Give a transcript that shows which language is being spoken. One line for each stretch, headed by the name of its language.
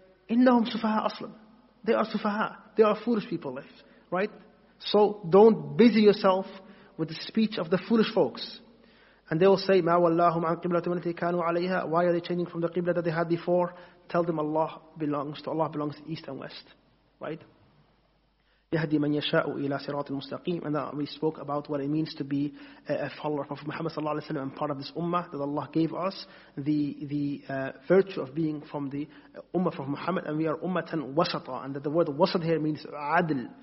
Arabic: Innahum sufaha aslam.
English: They are sufaha. They are foolish people, right? So don't busy yourself with the speech of the foolish folks. And they will say,
Arabic: ma wallahum an qiblatum allati kanu alayha.
English: Why are they changing from the qibla that they had before? Tell them Allah belongs to east and west, right?
Arabic: يهدي من يشاء إلى صراط المستقيم.
English: And we spoke about what it means to be a follower of Muhammad sallallahu alaihi wasallam and part of this ummah that Allah gave us the virtue of being from the ummah of Muhammad, and we are ummatan wasata, and that the word wasat here means adl.